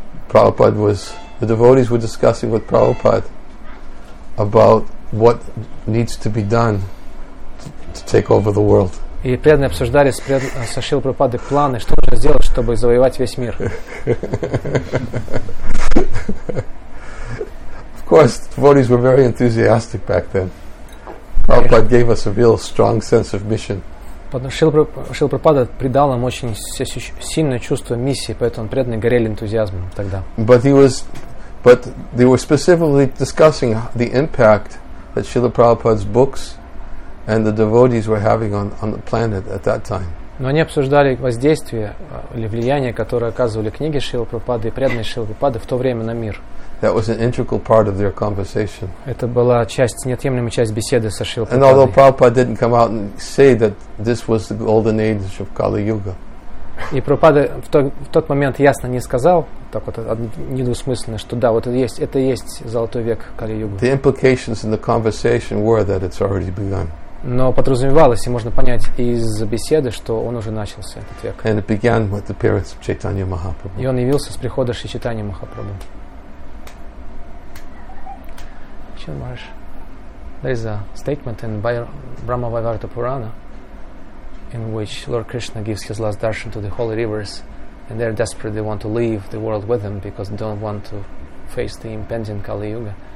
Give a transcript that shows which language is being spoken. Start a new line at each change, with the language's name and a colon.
English: The devotees were discussing with Prabhupada about what needs to be done to take over the world.
Russian: И преданные обсуждали со Шрилой Прабхупадой планы, что нужно сделать, чтобы завоевать весь мир.
English: Of course, the devotees were very enthusiastic back then. Prabhupada gave us a real strong sense of mission.
Russian: Шрила Прабхупада придал нам очень сильное чувство миссии, поэтому преданные горели энтузиазмом тогда.
English: But they were specifically discussing the impact that Srila Prabhupada's books and the devotees were having on the planet at that time.
Russian: Но они обсуждали воздействие или влияние, которое оказывали книги Шрилы Прабхупады и преданные Шрилы Прабхупады в то время на мир.
English: That was an integral part of their conversation.
Russian: Это была часть, неотъемлемая часть беседы со Шрилой Прабхупадой.
English: And although Prabhupada didn't come out and say that this was the golden age of Kali Yuga.
Russian: И Прабхупада в тот момент ясно не сказал, так вот недвусмысленно, что да, вот это есть золотой век Кали-Юга.
English: The implications in the conversation were that it's already begun.
Russian: Но подразумевалось, и можно понять из беседы, что он уже начался, этот век.
English: And it began with the appearance of Chaitanya Mahaprabhu.
Russian: И он явился с прихода Шри Чайтаньи Махапрабху. Чин Марш.
English: There is a statement in Brahma Vaivarta Purana in which Lord Krishna gives his last darshan to the holy rivers, and they're desperate, they want to leave the world with him because they don't want to face the impending Kali Yuga.